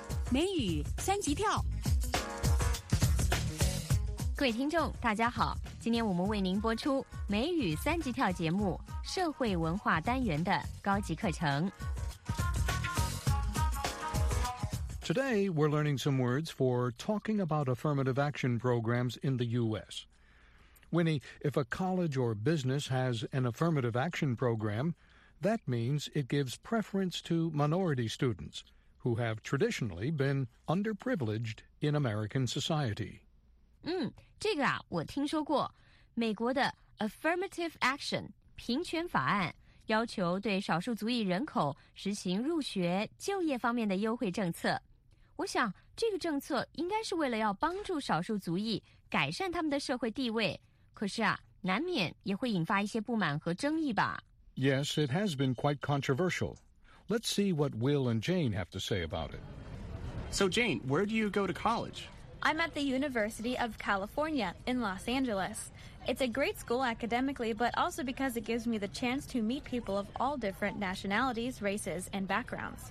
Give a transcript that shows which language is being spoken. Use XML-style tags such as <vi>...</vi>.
<zh>美语三级跳。各位听众大家好，今天我们为您播出美语三级跳节目社会文化单元的高级课程。</zh> <en>Today, we're learning some words for talking about affirmative action programs in the U.S. Winnie, if a college or business has an affirmative action program, that means it gives preference to minority students who have traditionally been underprivileged in American society.</en> <zh>这个啊，我听说过。美国的 affirmative action, 平权法案，要求对少数族裔人口实行入学、就业方面的优惠政策。我想这个政策应该是为了要帮助少数族裔改善他们的社会地位，可是啊，难免也会引发一些不满和争议吧。</zh> <en>Yes, it has been quite controversial. Let's see what Will and Jane have to say about it. So Jane, where do you go to college? I'm at the University of California in Los Angeles. It's a great school academically, but also because it gives me the chance to meet people of all different nationalities, races, and backgrounds.</en>